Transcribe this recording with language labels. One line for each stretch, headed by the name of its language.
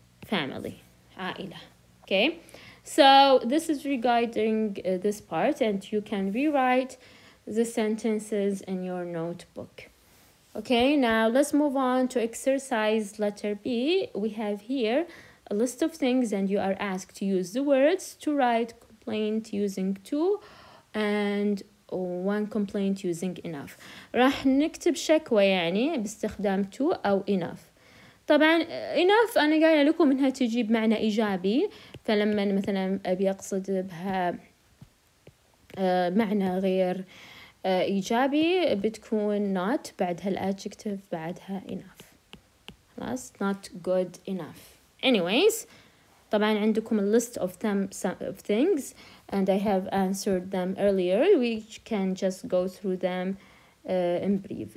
English: family عائلة Okay, so this is regarding this part and you can rewrite the sentences in your notebook. Okay, now let's move on to exercise letter B. We have here a list of things and you are asked to use the words to write complaint using two and one complaint using enough.
Arabic: راح نكتب شكوى يعني باستخدام two أو enough. طبعا enough أنا قايلة لكم إنها تجي بمعنى إيجابي فلما مثلا أبي أقصد بها معنى غير إيجابي بتكون not بعدها الأدجكتيف بعدها enough خلاص
English: not good enough anyways
Arabic: طبعا عندكم
English: a list of them some of things and I have answered them earlier we can just go through them in brief.